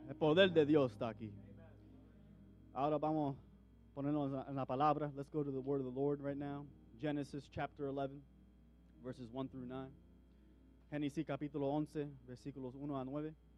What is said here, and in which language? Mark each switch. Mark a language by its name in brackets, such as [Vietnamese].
[Spanish] El poder de Dios está aquí. Ahora vamos a ponernos en la palabra. [English] Let's go to the word of the Lord right now. Genesis chapter 11, verses 1 through 9. [Spanish] Génesis capítulo 11, versículos 1 a 9.